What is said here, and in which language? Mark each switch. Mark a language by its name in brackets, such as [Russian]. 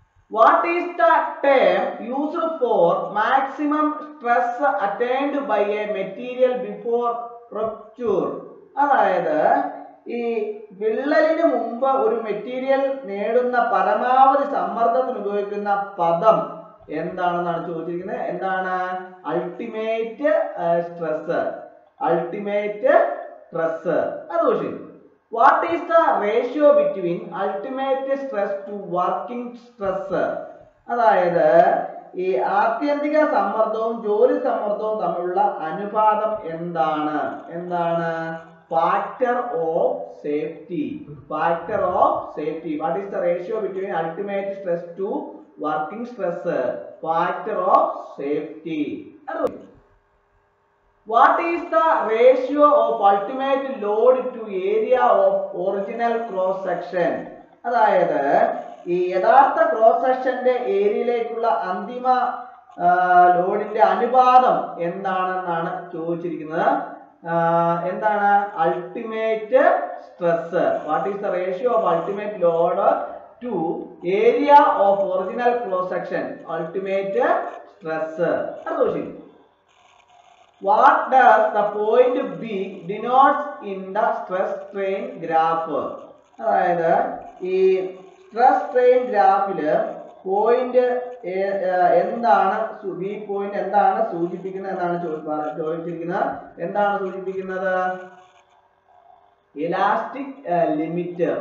[English] What is the term used for maximum stress attained by a material before rupture? [Malayalam] അതായത് ഈ വിള്ളലിന് മുമ്പ് ഒരു മെറ്റീരിയൽ നേടുന്ന പരമാവധി സമ്മർദ്ദത്തിന് ഉപയോഗിക്കുന്ന പദം എന്താണെന്നാണ് ചോദിച്ചിരിക്കുന്നത്. എന്താണ് അൾട്ടിമേറ്റ് സ്ട്രെസ്? [English] Ultimate stress. [Malayalam] അത് ചോദിച്ചു. [English] What is the ratio between ultimate stress to working stress? [Malayalam] അതായത് ഈ ആത്യന്തിക സമ്മർദ്ദവും ജോലി സമ്മർദ്ദവും തമ്മിലുള്ള അനുപാതം എന്താണ്? എന്താണ് factor of safety? [English] Factor of safety. What is the ratio between ultimate stress to working stress? Factor of safety. What is the ratio of ultimate load to area of original cross section? [Malayalam] അതായത് ഈ യഥാർത്ഥ cross സെക്ഷന്റെ ഏരിയയിലേക്കുള്ള അന്തിമ ലോഡിന്റെ അനുപാതം എന്താണെന്നാണ് ചോദിച്ചിരിക്കുന്നത്. [English] എന്താണ് ultimate stress? What is the ratio of ultimate load to area of original cross section? [Malayalam] Ultimate stress. അത് ചോദിച്ചു. [English] What does the point B denotes in the stress strain graph? [Malayalam] അതായത് ഈ സ്ട്രെസ് സ്ട്രെയിൻ ഗ്രാഫിൽ പോയിന്റ് എന്താണ് B point എന്താണ് സൂചിപ്പിക്കുന്നത് എന്നാണ് ചോദിച്ചിരിക്കുന്നത്. എന്താണ് സൂചിപ്പിക്കുന്നത്? Elastic limit.